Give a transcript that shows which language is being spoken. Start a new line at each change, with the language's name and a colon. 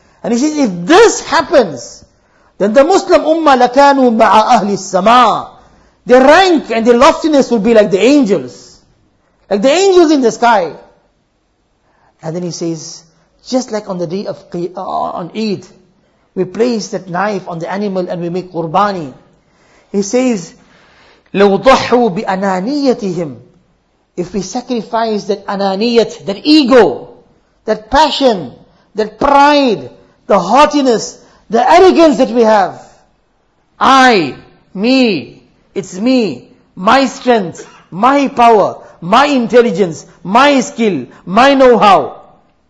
English: And he says, if this happens, then the Muslim ummah
Arabic: lakanu ma'a ahli as-samaa.
English: Their rank and their loftiness will be like the angels. Like the angels in the sky. And then he says, just like on the day of on Eid, we place that knife on the animal and we make qurbani.
Arabic: He says, لَوْ ضَحُوا بِأَنَانِيَّتِهِمْ.
English: If we sacrifice that ananiyat, that ego, that passion, that pride, the haughtiness, the arrogance that we have. I, me, it's me, my strength, my power, my intelligence, my skill, my know-how.